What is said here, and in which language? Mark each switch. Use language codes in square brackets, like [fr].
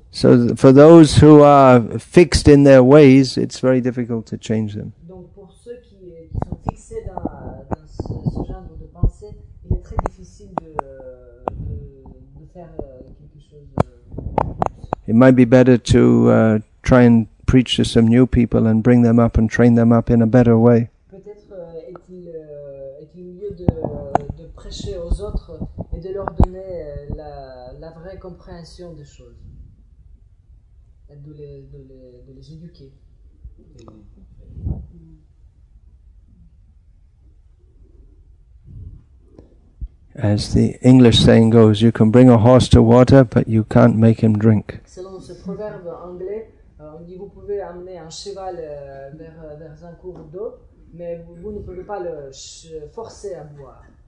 [en] So for those who are fixed in their ways, it's very difficult to change them. [fr] Donc pour ceux qui sont fixés dans ce genre de pensée, il est très difficile de faire quelque chose. [en] It might be better to try and preach to some new people and bring them up and train them up in a better way. [fr] Peut-être est-il mieux de prêcher aux autres et de leur donner la vraie compréhension des choses, de les éduquer. [en] As the English saying goes, you can bring a horse to water, but you can't make him drink. [fr] Selon ce proverbe anglais, on dit vous pouvez amener un cheval vers un cours d'eau, mais vous ne pouvez pas le forcer à boire.